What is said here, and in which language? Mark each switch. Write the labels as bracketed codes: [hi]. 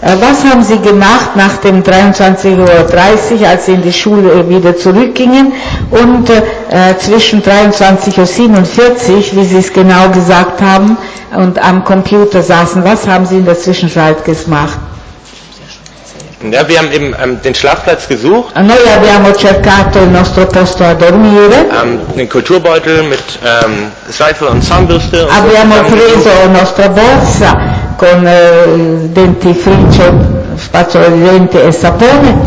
[de] Was haben Sie gemacht nach dem 23:30, als Sie in die Schule wieder zurückgingen, und zwischen 23:47, wie Sie es genau gesagt haben, und am Computer saßen? Was haben Sie in der Zwischenzeit gemacht? Ja, wir haben eben den Schlafplatz gesucht. [it] Noi abbiamo cercato il nostro posto a dormire. [de] Den Kulturbeutel mit Seife und Zahnbürste. [it] Abbiamo preso la nostra borsa con dentifricio, spazzolo di denti e sapone.